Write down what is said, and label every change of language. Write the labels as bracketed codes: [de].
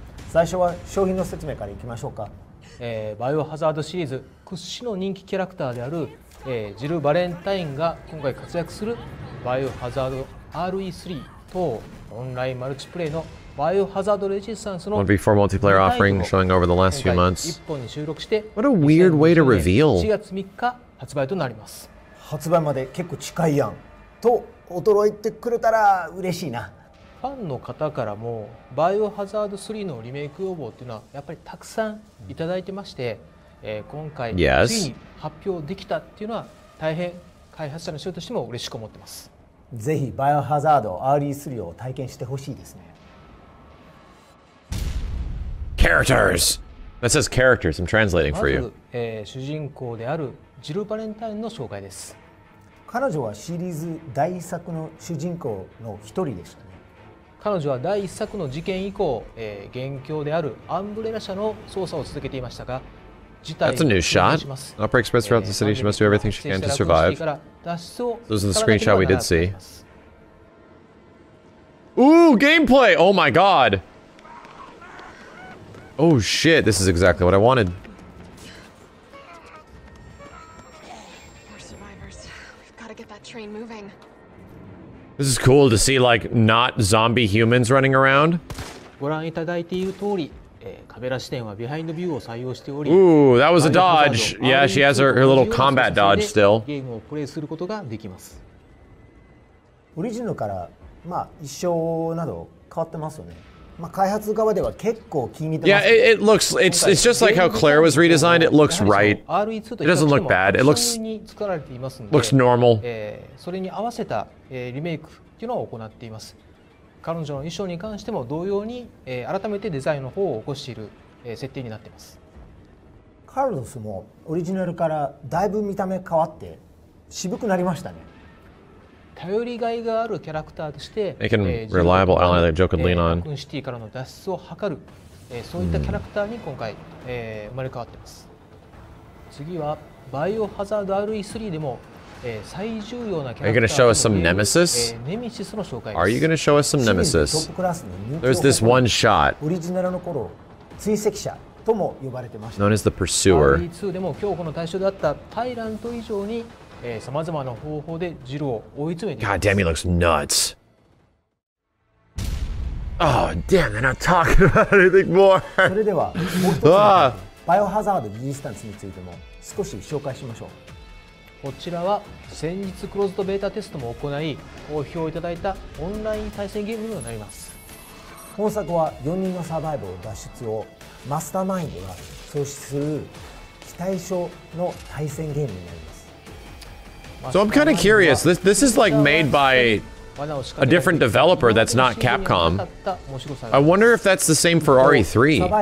[ja] 最初は商品の説明からいきましょうか、バイオハザードシリーズ屈指の人気キャラクターである、ジル・バレンタインが今回活躍するバイオハザード RE3 とオンラインマルチプレイのバイオハザードレジスタンスの [en] V4 multiplayer offering showing over the last few months. [ja] 一本に収録して、 [en] What a weird way to reveal. [ja] 4月3日発売となります。発売まで結構近いやんと驚いてくれたら嬉しいな。ファンの方からもバイオハザード3のリメイク要望っていうのはやっぱりたくさんいただいてまして、今回ついに発表できたっていうのは大変開発者の人としても嬉しく思ってます。ぜひバイオハザード RE3 を体験してほしいですね。 [en] Characters. That says characters. I'm translating for you. [ja] まず、主人公であるジル・バレンタインの紹介です。彼女はシリーズ第一作の主人公の一人でしたね。彼女は第一作の事件以降、元凶であるアンブレラ社の捜査を続けていましたが、事態を失礼します。 [en] That's a new shot. Opera Express throughout the city. She must do everything she can to survive. Those are the screenshot we did see. Ooh, gameplay! Oh my god! Oh shit, this is exactly what I wanted. We're survivors. We've got to get that train moving. This is cool to see, like, not zombie humans running around. [ja] ご覧いただいている通り、カメラ視点はビハインドビューを採用しており、 [en] Ooh, that was a dodge. Yeah, she has her little combat dodge still. [ja] ゲームをプレイすることができます。オリジナルから、まあ、一生など変わってますよね。まあ、開発側では結構気に入ってます。 [en] Yeah, it looks it's just like how Claire was redesigned. It looks right. It doesn't look bad. It looks normal. [ja] それに合わせたリメイクっていうのを行っています。彼女の衣装に関しても同様に改めてデザインの方を起こしている設定になっています。カルロスもオリジナルからだいぶ見た目変わって渋くなりましたね。頼りがいがあるキャラクターとして、 [en] reliable ally that Joe could lean on. [ja] シティからの脱出を図る、そういったキャラクターに今回、生まれ変わっています。次はバイオハザード RE3 でも、最重要なキャラクター。 [en] Are you going to show us some nemesis? [ja] ネメシスの紹介です。 [en] Are you going to show us some nemesis? There's this one shot. [ja] オリジナルの頃、追跡者とも呼ばれてました。 [en] Known as the pursuer. [ja] RE2 でも恐怖の対象であったタイラント以上に。 [en] God damn, he looks nuts. Oh, damn, they're not talking about anything more. [ja] それでは、もう一つのバイオハザードリジスタンスについても少し紹介しましょう。こちらは先日クローズドベータテストも行い、好評いただいたオンライン対戦ゲームになります。本作は4人のサバイバル脱出をマスターマインドが創出する非対称の対戦ゲームになります。 [en] So I'm kind of curious. This is like made by a different developer that's not Capcom. I wonder if that's the same for RE3.